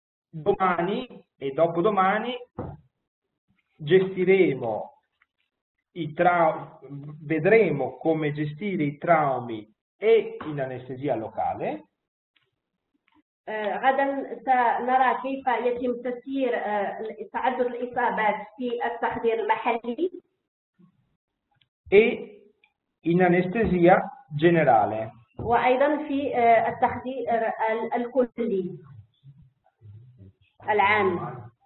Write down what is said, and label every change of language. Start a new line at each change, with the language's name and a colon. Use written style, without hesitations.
Italian: Domani e dopodomani gestiremo i vedremo come gestire i traumi e in anestesia locale.
Arabic: غدا سنرى كيف يتم تسيير تعدد الإصابات في التحضير المحلي
Italian: e in anestesia generale
Arabic: وأيضا في التحضير الكلي العام.